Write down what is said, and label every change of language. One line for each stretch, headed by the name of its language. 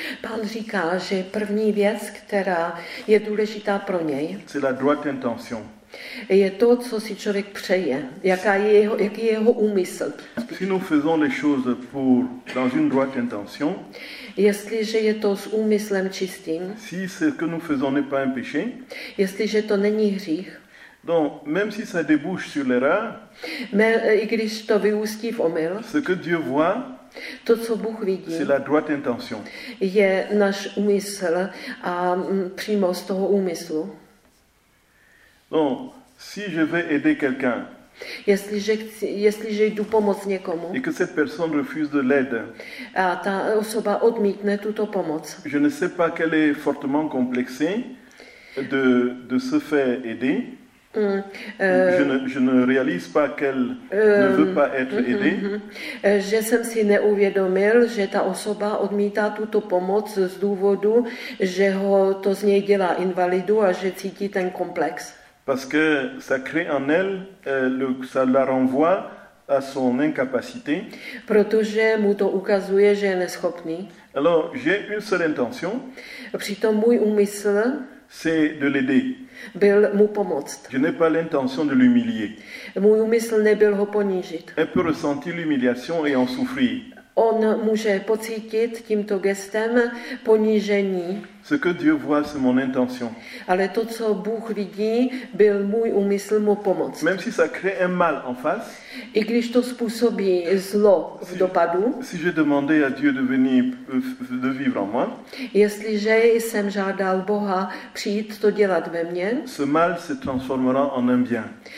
Czech: Pán říká, že první věc, která je důležitá pro něj.
French: C'est la droite intention.
Czech: Je to, co si člověk přeje. Jaký je jeho úmysl?
French: Si nous faisons les choses pour dans une droite intention.
Czech: Jestliže je to s úmyslem čistým.
French: Si ce que nous faisons n'est pas un péché.
Czech: Jestliže to není hřích.
French: Donc, même si ça débouche sur l'erreur,
Czech: mais, i když to vyústí v omyl,
French: ce que Dieu voit,
Czech: to, co Bůh vidí,
French: c'est la droite intention.
Czech: Je náš úmysl a přímo z toho úmyslu.
French: Donc, si je vais aider quelqu'un,
Czech: Jestliže jdu pomoct někomu.
French: Et que cette personne refuse de l'aide.
Czech: A ta osoba odmítne tuto pomoc.
French: Je ne sais pas qu'elle est fortement complexée de se faire aider. Je ne réalise pas qu'elle ne veut pas être aidée.
Czech: Že jsem si neuvědomil, že ta osoba odmítá tuto pomoc z důvodu, že ho to z něj dělá invalidu a že cítí ten komplex.
French: Parce que ça crée en elle, ça la renvoie à son incapacité.
Czech: Protože mu to ukazuje, že je neschopný.
French: Alors, j'ai une seule intention.
Czech: Přitom můj úmysl,
French: c'est de l'aider.
Czech: Byl mu pomoct.
French: Je n'ai pas l'intention de l'humilier.
Czech: Můj úmysl nebyl ho ponížit.
French: Elle peut ressentir l'humiliation et en souffrir.
Czech: On může pocítit tímto gestem ponížení.
French: Ce que Dieu voit, c'est mon intention.
Czech: Ale to, co Bůh vidí, byl můj úmysl mu pomoct.
French: Même si ça crée un mal en face.
Czech: I když to způsobí zlo v dopadu.
French: Si j'ai demandé à Dieu de venir de vivre en moi.
Czech: Jestliže jsem žádal Boha přijít to dělat ve mně.
French: Ce mal se transformera en un bien.